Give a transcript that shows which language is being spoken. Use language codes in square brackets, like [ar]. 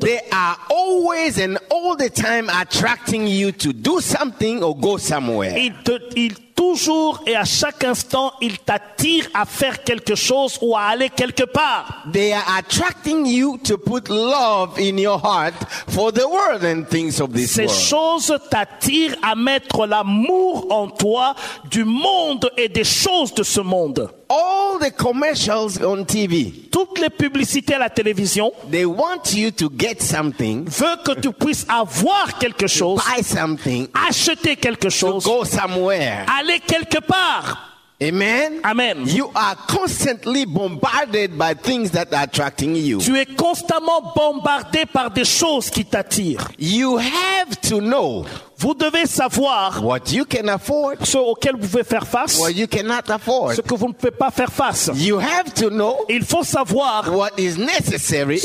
[en] They are always and all the time attracting you to do something or go somewhere. [fr] Toujours et à chaque instant, il t'attire à faire quelque chose ou à aller quelque part. [en] They are attracting you to put love in your heart for the world and things of this [fr] Ces [en] world. [fr] Ces choses t'attirent à mettre l'amour en toi du monde et des choses de ce monde. [en] All the commercials on TV, [fr] toutes les publicités à la télévision, [en] they want you to get something, [fr] veut que tu puisses avoir quelque chose, [en] buy something, [fr] acheter quelque chose, [en] to go somewhere, [fr] aller quelque part. [en] Amen. [fr] Amen. [en] You are constantly bombarded by things that are attracting you. [fr] Tu es constamment bombardé par des choses qui t'attirent. [en] You have to know. [fr] Vous devez savoir [en] what you can afford, [fr] ce auquel vous pouvez faire face, [en] what you cannot afford, [fr] ce que vous ne pouvez pas faire face. [en] You have to know, [fr] il faut savoir [en] what is necessary,